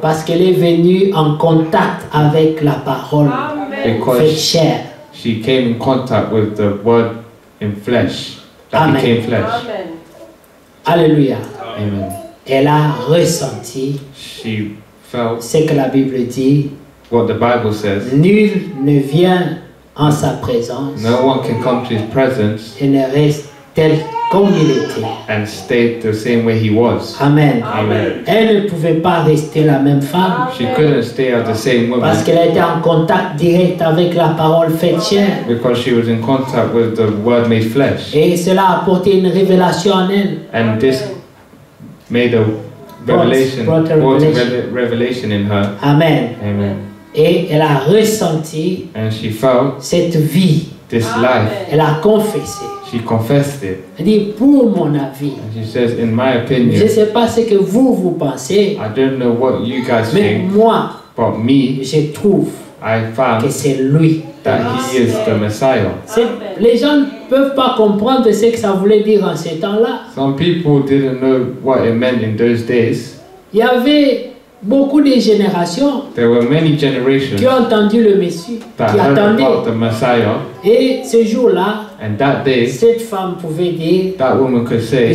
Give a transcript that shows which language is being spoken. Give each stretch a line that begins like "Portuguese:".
French: parce qu'elle est venue en contact avec la parole faite chair.
English: She came in contact with the word in flesh, that Became flesh. Alléluia. Amen.
French: Elle a ressenti
English: she felt
French: ce que la Bible dit.
English: What the Bible says.
French: Nul ne vient en sa présence.
English: No one can come to his presence.
French: Et ne reste tel comme il était.
English: And stayed the same way he was. Amen. Amen.
French: Elle ne pouvait pas rester la même femme.
English: She couldn't stay as the same woman.
French: Parce qu'elle était en contact direct avec la parole faite chair.
English: Because she was in contact with the word made flesh.
French: Et cela a apporté une révélation en elle.
English: And this made a revelation, brought a revelation in her. Amen. Amen.
French: Et elle a ressenti
English: and she felt
French: cette vie.
English: This life.
French: Elle a confessé.
English: She confessed it.
French: Elle dit, pour mon avis.
English: And she says, in my opinion.
French: Je ne sais pas ce que vous, vous pensez.
English: I don't know what you guys
French: mais
English: think.
French: Moi,
English: but me.
French: Je trouve
English: I found
French: que c'est lui.
English: That he is the Messiah.
French: Les gens ne peuvent pas comprendre ce que ça voulait dire en ces temps-là.
English: Some people didn't know what it meant in those days.
French: Il y avait beaucoup de générations,
English: there were many generations
French: qui ont entendu le Messie,
English: that
French: qui attendaient
English: the Messiah.
French: Et ce jour-là,
English: and that day,
French: cette femme pouvait dire,
English: that woman could say,